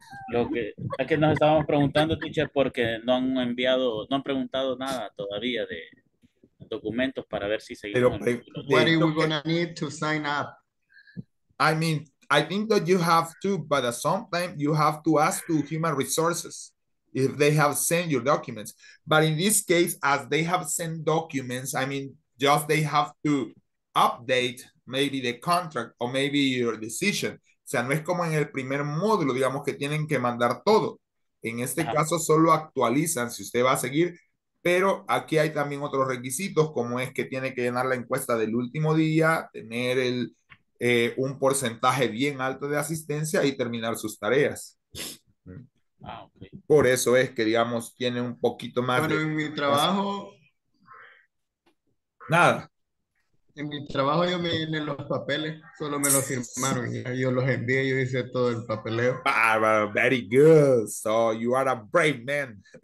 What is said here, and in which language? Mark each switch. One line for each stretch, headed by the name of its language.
Spanish: Lo que nos estábamos preguntando, teacher, porque no han enviado, no han preguntado nada todavía de documentos para ver si seguimos. Pero,
English: what are we gonna need to sign up? I mean, I think that you have to, but sometimes you have to ask to human resources if they have sent your documents. But in this case, as they have sent documents, I mean, just they have to update maybe the contract or maybe your decision.
Spanish: O sea, no es como en el primer módulo, digamos, que tienen que mandar todo. En este caso, solo actualizan si usted va a seguir. Pero aquí hay también otros requisitos, como es que tiene que llenar la encuesta del último día, tener el, un porcentaje bien alto de asistencia y terminar sus tareas. Ah, okay. Por eso es que, digamos, tiene un poquito más. Pero de... en mi trabajo... Nada. En mi trabajo yo me llené los papeles, solo me los firmaron, yo los envié, yo hice todo el papeleo.
English: Bárbaro, very good, so you are a brave man.